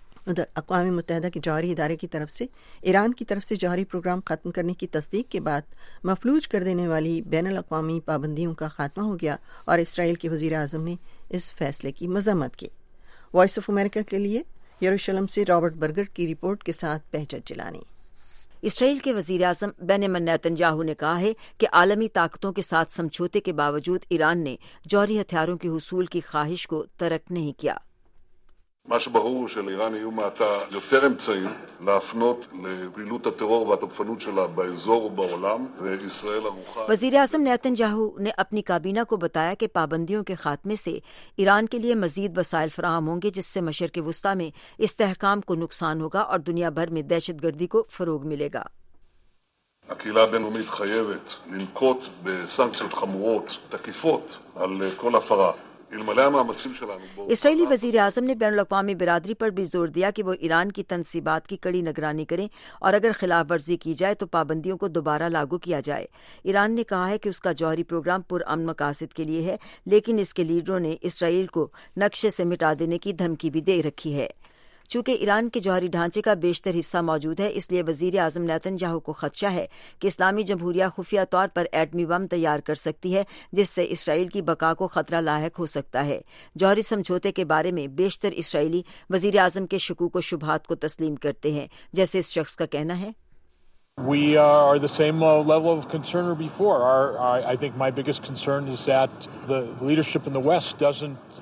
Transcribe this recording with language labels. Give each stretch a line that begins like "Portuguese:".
Urdu: ادھر اقوام متحدہ کے جوہری ادارے کی طرف سے ایران کی طرف سے جوہری پروگرام ختم کرنے کی تصدیق کے بعد مفلوج کر دینے والی بین الاقوامی پابندیوں کا خاتمہ ہو گیا، اور اسرائیل کے وزیر اعظم نے اس فیصلے کی مذمت کی۔ وائس آف امریکہ کے لیے یروشلم سے رابرٹ برگر کی رپورٹ کے ساتھ بہجت جلانی۔ اسرائیل کے وزیر اعظم بنیامن نیتن یاہو نے کہا ہے کہ عالمی طاقتوں کے ساتھ سمجھوتے کے باوجود ایران نے جوہری ہتھیاروں کے حصول کی خواہش کو ترک نہیں کیا۔
Hebrew: מה שברור הוא שלאיראן יהיו מעתה יותר אמצעים להפנות לפעילות הטרור והתוקפנות שלה באזור ובעולם, וישראל ערוכה۔
Urdu: وزیر اعظم نیتن یاہو نے اپنی کابینہ کو بتایا کہ پابندیوں کے خاتمے سے ایران کے لیے مزید وسائل فراہم ہوں گے، جس سے مشرق وسطی میں استحکام کو نقصان ہوگا اور دنیا بھر میں دہشت گردی کو فروغ ملے گا۔
Hebrew: הקהילה הבינלאומית חייבת לנקוט בסנקציות חמורות תקיפות על כל הפרה۔
Urdu: اسرائیلی وزیر اعظم نے بین الاقوامی برادری پر بھی زور دیا کہ وہ ایران کی تنصیبات کی کڑی نگرانی کریں اور اگر خلاف ورزی کی جائے تو پابندیوں کو دوبارہ لاگو کیا جائے۔ ایران نے کہا ہے کہ اس کا جوہری پروگرام پرامن مقاصد کے لیے ہے، لیکن اس کے لیڈروں نے اسرائیل کو نقشے سے مٹا دینے کی دھمکی بھی دے رکھی ہے۔ چونکہ ایران کے جوہری ڈھانچے کا بیشتر حصہ موجود ہے، اس لیے وزیر اعظم نیتن یاہو کو خدشہ ہے کہ اسلامی جمہوریہ خفیہ طور پر ایٹمی بم تیار کر سکتی ہے، جس سے اسرائیل کی بقا کو خطرہ لاحق ہو سکتا ہے۔ جوہری سمجھوتے کے بارے میں بیشتر اسرائیلی وزیر اعظم کے شکوک و شبہات کو تسلیم کرتے ہیں، جیسے اس شخص کا کہنا ہے۔
English: We are the same level of concern as before. I think my biggest concern is that the leadership in the West doesn't